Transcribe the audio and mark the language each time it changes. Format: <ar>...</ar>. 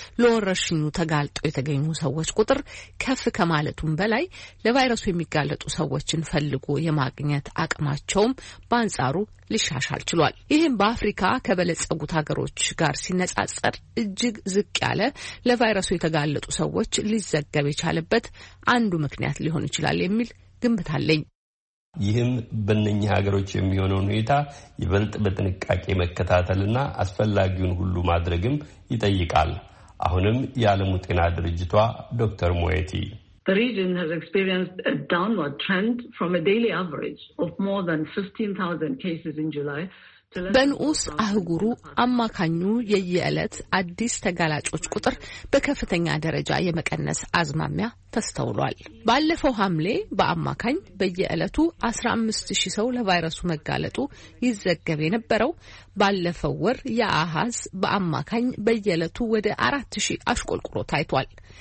<am>ለወረርሽኙ ተጋልጠው የተገኙ ሰዎች ቁጥር ከፍ ከማለቱም በላይ ለቫይረሱ የሚጋለጡ ሰዎችን ፈልጎ የማግኘት አቅማቸውም በአንጻሩ ሊሻሻል ችሏል። ይህም በአፍሪካ ከበለጸጉት ሀገሮች ጋር ሲነጻጸር እጅግ ዝቅ ያለ ለቫይረሱ የተጋለጡ ሰዎች ሊዘገብ የቻለበት አንዱ ምክንያት ሊሆን ይችላል የሚል ግምት አለኝ። ይህም በእነኚህ ሀገሮች የሚሆነውን ሁኔታ ይበልጥ በጥንቃቄ መከታተልና አስፈላጊውን ሁሉ ማድረግም ይጠይቃል። አሁንም የዓለም ጤና ድርጅቷ ዶክተር ሞየቲ</am> <en>The region has experienced a downward trend from a daily average of more than 15,000 cases in July.</en> <am>በንዑስ አህጉሩ አማካኙ የየዕለት አዲስ ተጋላጮች ቁጥር በከፍተኛ ደረጃ የመቀነስ አዝማሚያ ተስተውሏል። ባለፈው ሐምሌ በአማካኝ በየዕለቱ 15,000 ሰው ለቫይረሱ መጋለጡ ይዘገብ የነበረው ባለፈው ወር የአሃዝ በአማካኝ በየዕለቱ ወደ 4,000 አሽቆልቁሎ ታይቷል።</am>